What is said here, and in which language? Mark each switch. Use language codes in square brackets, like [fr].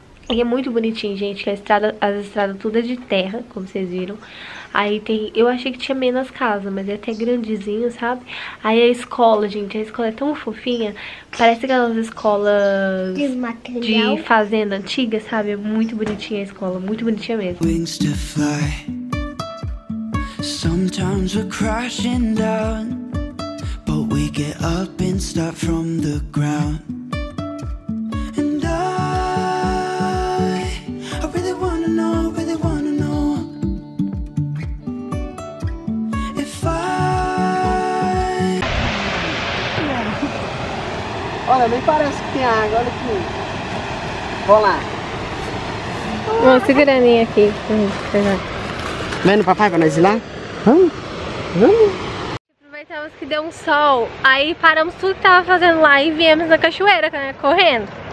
[pt] E é muito bonitinho, gente, que a estrada, as estradas tudo é de terra, como vocês viram. Aí tem... Eu achei que tinha menos casa, mas é até grandezinho, sabe? Aí a escola, gente, a escola é tão fofinha. Parece aquelas escolas de fazenda antiga, sabe? É muito bonitinha a escola, muito bonitinha mesmo. [en] Wings to fly. Sometimes we're crashing down, but we get up and start from the ground. And I really wanna know, really wanna know if I. [pt] Olha, nem parece que tem água, olha aqui. Vamos lá. Vou segurar a minha aqui. Vendo o papai pra nós ir lá? Vamos. Aproveitamos que deu um sol. Aí paramos tudo que tava fazendo lá e viemos na cachoeira, né, correndo.